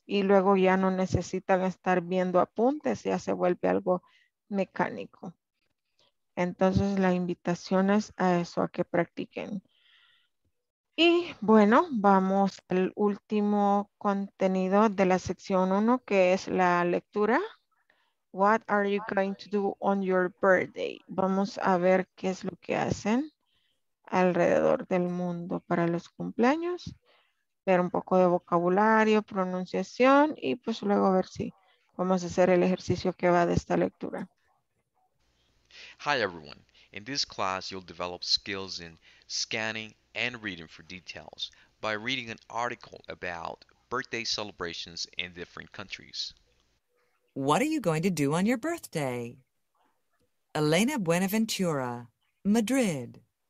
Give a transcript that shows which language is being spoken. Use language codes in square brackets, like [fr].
[es] Y luego ya no necesitan estar viendo apuntes, ya se vuelve algo mecánico. Entonces la invitación es a eso, a que practiquen. Y bueno, vamos al último contenido de la sección 1, que es la lectura. [en] What are you going to do on your birthday? [es] Vamos a ver qué es lo que hacen alrededor del mundo para los cumpleaños. Ver un poco de vocabulario, pronunciación y pues luego ver si vamos a hacer el ejercicio que va de esta lectura. [en] Hi everyone. In this class, you'll develop skills in scanning and reading for details by reading an article about birthday celebrations in different countries. What are you going to do on your birthday? Elena Buenaventura, Madrid.